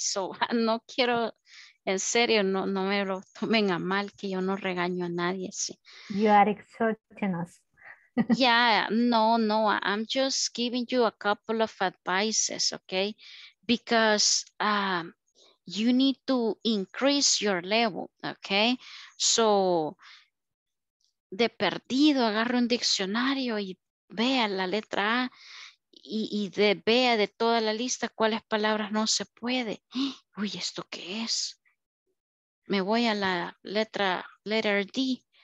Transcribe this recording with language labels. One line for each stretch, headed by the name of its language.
Spanish: So no quiero, en serio, no me lo tomen a mal que yo no regaño a nadie. Sí.
English: You are exhorting us. Yeah, no, I'm just giving you a couple of advices, okay? Because you need to increase your level, okay?
Spanish: So, de perdido, agarra un diccionario y vea la letra A y vea de toda la lista cuáles palabras no se puede. Uy, ¿esto qué es? Me voy a la letter D.